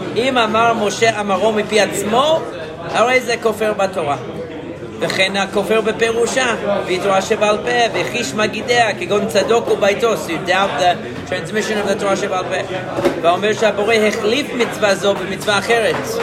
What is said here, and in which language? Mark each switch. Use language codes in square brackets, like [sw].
[he] אם אמר משה אמרו מפי עצמו, הרי זה כופר בתורה. וכן הכופר בפירושה, ויתורה שבעל פה, וחיש מגידיה, כגון צדוק וביתו. [en] So you doubt the transmission of the Torah שבעל פה. [he] ואומר שהבורא החליף מצווה זו במצווה אחרת.